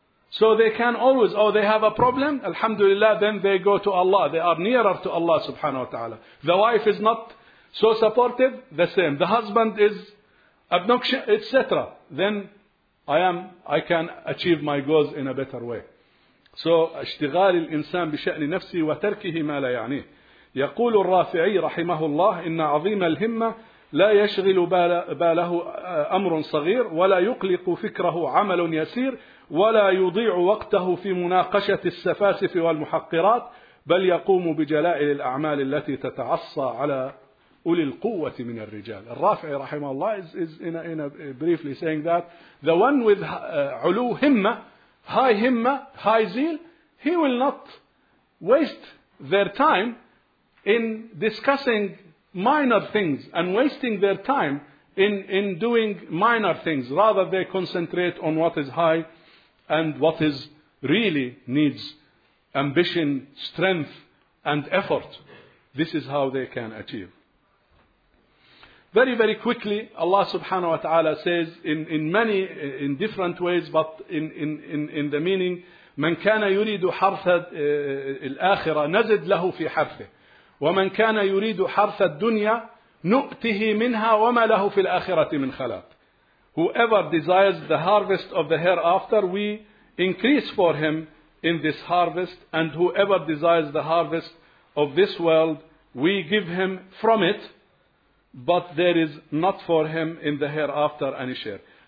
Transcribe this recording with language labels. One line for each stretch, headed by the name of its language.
English: So they can always, oh, they have a problem, alhamdulillah, then they go to Allah. They are nearer to Allah subhanahu wa ta'ala. The wife is not so supportive, the same. The husband is obnoxious, etc. Then I can achieve my goals in a better way. So,
Arabic: اشتغال الإنسان بشأن نفسه وتركه ما لا يعنيه. يقول الرافعي رحمه الله إن عظيم الهمة لا يشغل باله أمر صغير ولا يقلق فكره عمل يسير ولا يضيع وقته في مناقشة السفاسف والمحقرات بل يقوم بجلائل الأعمال التي تتعصى على أولي القوة من الرجال.
English: الرافعي رحمه الله is in a briefly saying that the one with علو همة, high همة, high zeal, he will not waste their time in discussing minor things and wasting their time in doing minor things. Rather, they concentrate on what is high and what is really needs ambition, strength, and effort. This is how they can achieve. Very, very quickly, Allah subhanahu wa ta'ala says in different ways, but in the meaning,
Arabic: من كان يريد حرث الآخرة نزد له في حرثه ومن كان يريد حرث الدنيا نؤته منها وما له في الآخرة من خلاق.
English: Whoever desires the harvest of the hereafter, we increase for him in this harvest, and whoever desires the harvest of this world, we give him from it, but there is not for him in the hereafter any share.